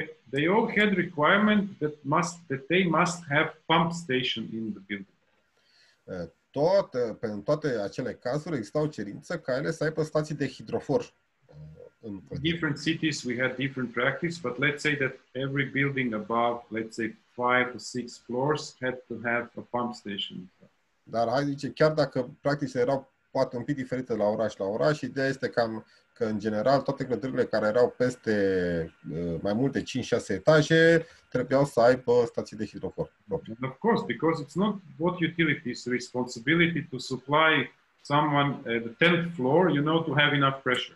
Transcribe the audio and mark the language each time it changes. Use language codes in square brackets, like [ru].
[en] They all had requirement that they must have pump station in the building. [ro] Pentru toate acele cazuri existau cerință ca ele să aibă stații de hidrofor. [en] In different cities we had different practice, but let's say that every building above, let's say 5 or 6 floors had to have a pump station. [ro] Dar hai zice, chiar dacă practicile erau poate un pic diferite la oraș la oraș, ideea este cam că în general toate clădirile care erau peste mai mult de 5-6 etaje trebuiau să aibă stații de hidrofor. [en] Of course, because it's not what utility's responsibility to supply someone at the 10th floor, you know, to have enough pressure.